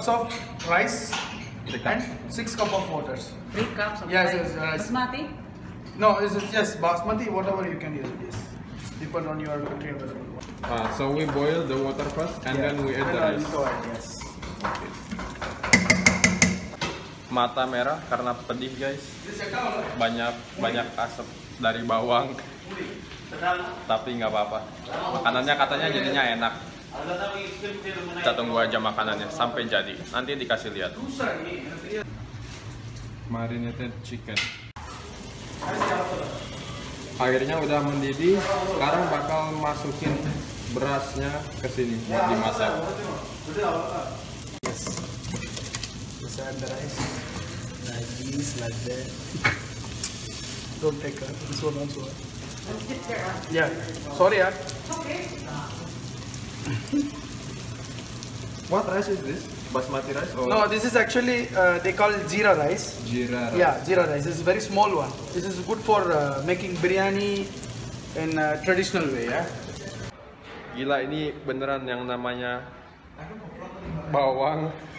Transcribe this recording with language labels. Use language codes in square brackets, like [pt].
[en] 3 cups of rice and 6 cups of water. 3 cups of rice? Yes, yes, rice. Basmati? No, it's just basmati, whatever you can use, yes. Depend on your country available. So we boil the water first and then we add the rice. Yes. Okay. [id] Mata merah karena pedih guys, banyak asap dari bawang. Tapi nggak apa-apa, makanannya katanya jadinya enak. Kita tunggu aja makanannya sampai jadi, nanti dikasih lihat. [en] Marinated chicken. [id] Airnya udah mendidih, sekarang bakal masukin berasnya ke sini buat dimasak. [en] Yes. Let's add the rice. Like this, like that. Don't take her. This one also. Let's get her. Yeah. Sorry, okay. What rice is this? Basmati rice? Or? No, this is actually, they call it jeera rice. Jeera rice. Yeah, jeera rice. This is a very small one. This is good for making biryani in a traditional way, yeah. [id] Gila, ini beneran yang namanya bawang.